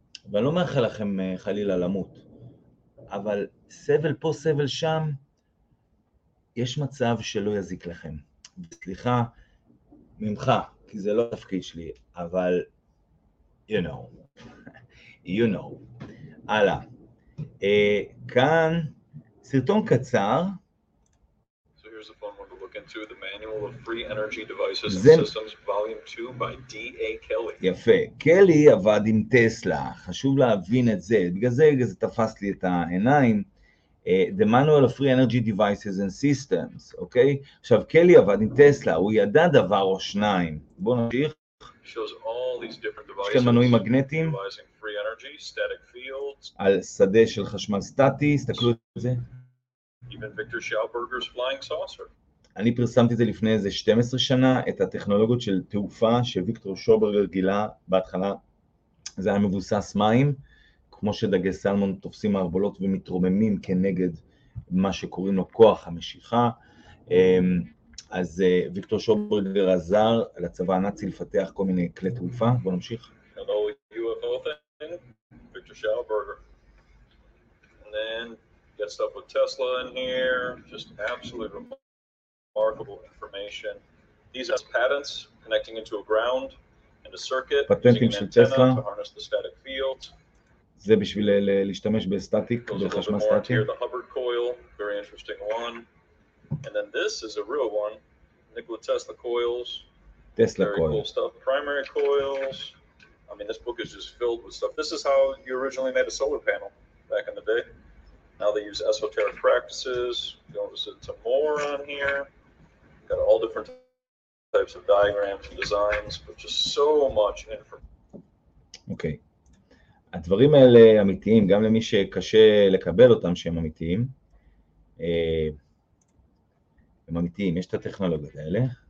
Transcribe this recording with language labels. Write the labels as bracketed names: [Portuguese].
[Hebrew] ואני לא מאחל לכם חלילה למות, אבל סבל פה, סבל שם, יש מצב שלא יזיק לכם, סליחה ממך, כי זה לא תפקיד שלי, אבל [English] you know, [Hebrew] הלאה, כאן סרטון קצר, [English] so here's a fun one to look into, the manual of free energy devices and systems, volume 2 by D.A. Kelly. [Hebrew] יפה, קלי עבד עם טסלה, חשוב להבין את זה, בגלל זה תפס לי את העיניים, [English] the manual of free energy devices and systems, [Hebrew] okay? עכשיו, קלי עבד עם טסלה, הוא ידע דבר או שניים. בוא נמשיך. [English] Shows all these different devices. [Hebrew] שתי מנועים מגנטיים. [English] Utilizing free energy, static fields. [Hebrew] על שדה של חשמל סטטי, הסתכלו את זה. [English] Even Victor Schauberger's flying saucer. [Hebrew] אני פרסמתי זה לפני איזה 12 שנה, את הטכנולוגיות של תעופה שויקטור שוברגר גילה בהתחלה. זה היה מבוסס מים. כמו שדגי סלמון תופסים מערבולות ומתרוממים כנגד מה שקוראים לו כוח המשיכה, אז ויקטור שוברגר עזר לצבא הנאצי לפתח כל מיני כלי תעופה, בוא נמשיך. [English] Hello, UFO thing, Victor Schauberger. And then, get stuff with Tesla in here, just absolutely remarkable information. These are patents connecting into a ground and a circuit, [Hebrew] פטנטים של טסלה. [English] To harness the static field. [Hebrew] זה בשביל להשתמש בסטטיק, בחשמל סטטי. [English] Here, the Hubbard coil, very interesting one. And then this is a real one, Nikola Tesla coils. Tesla very coil. Cool stuff. Primary coils. I mean, this book is just filled with stuff. This is how you originally made a solar panel back in the day. Now they use esoteric practices. You'll notice it's a more on here. Got all different types of diagrams and designs, but just so much information. Okay. [Hebrew] הדברים האלה אמיתיים, גם למי שקשה לקבל אותם שהם אמיתיים, הם אמיתיים, יש את הטכנולוגיות האלה.